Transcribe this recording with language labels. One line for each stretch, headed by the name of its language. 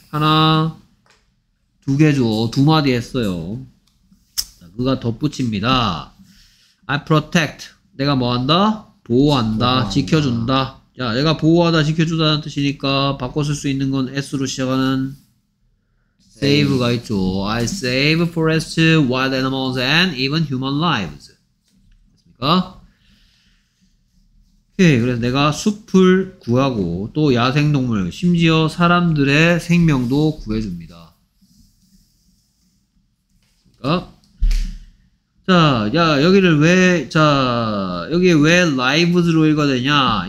Korean: 하나, 두 개죠. 두 마디 했어요. 그가 덧붙입니다.
English: I protect.
Korean: 내가 뭐한다? 보호한다. 지켜준다. 야, 내가 보호하다, 지켜준다는 뜻이니까 바꿔 쓸 수 있는 건 S로 시작하는 save가 있죠.
English: I save forests, wild animals, and even human lives.
Korean: 됐습니까? 오케이, 그래서 내가 숲을 구하고 또 야생동물, 심지어 사람들의 생명도 구해줍니다. 됐습니까? 자, 야, 여기를 왜, 자, 여기에 왜 lives로 읽어야 되냐?